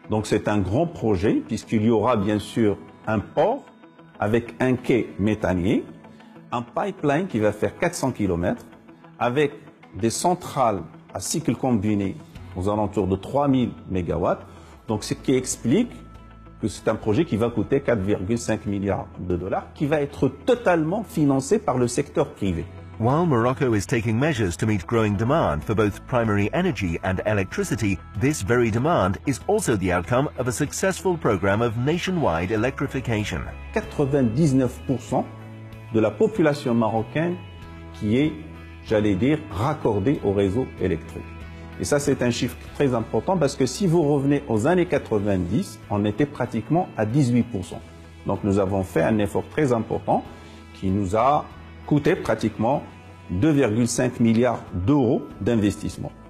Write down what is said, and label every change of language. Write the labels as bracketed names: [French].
[French] Donc c'est un grand projet puisqu'il y aura bien sûr un port avec un quai méthanier, un pipeline qui va faire 400 km avec des centrales à cycle combiné aux alentours de 3000 MW. Donc ce qui explique que c'est un projet qui va coûter 4,5 milliards de dollars, qui va être totalement financé par le secteur privé. [English] While Morocco is taking measures to meet growing demand for both primary energy and electricity, this very demand is also the outcome of a successful program of nationwide electrification. [French] 99% de la population marocaine qui est, j'allais dire, raccordée au réseau électrique. Et ça, c'est un chiffre très important parce que si vous revenez aux années 90, on était pratiquement à 18%. Donc nous avons fait un effort très important qui nous a coûté pratiquement 2,5 milliards d'euros d'investissement.